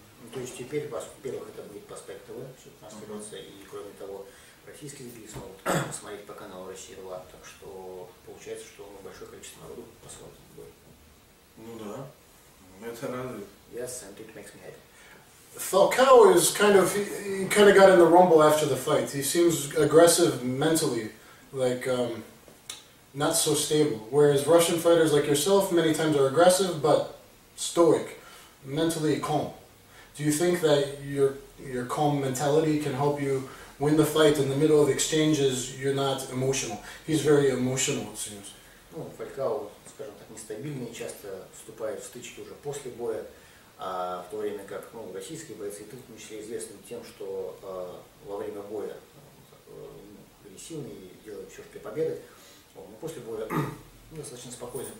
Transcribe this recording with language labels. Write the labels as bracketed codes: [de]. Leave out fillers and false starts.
[ru] То есть теперь, во-первых, это будет по Spike TV, все транслируется, uh-huh. и кроме того, российские зрители смогут посмотреть по каналу Россия 2, так что получается, что большое количество народу посмотрит бой. Ну да, это радует. [en] Yes, and it makes me happy. Falcao is kind of got in the rumble after the fight. He seems aggressive mentally, like not so stable. Whereas Russian fighters like yourself many times are aggressive, but stoic, mentally calm. Do you think that your calm mentality can help you win the fight in the middle of exchanges? You're not emotional. He's very emotional, it seems. [ru] Ну, Фалькао, скажем так, нестабильный, часто вступает в стычки уже после боя, в то время как российские бойцы тут, в том числе, известны тем, что во время боя агрессивный, делает все для победы, но после боя достаточно спокойно.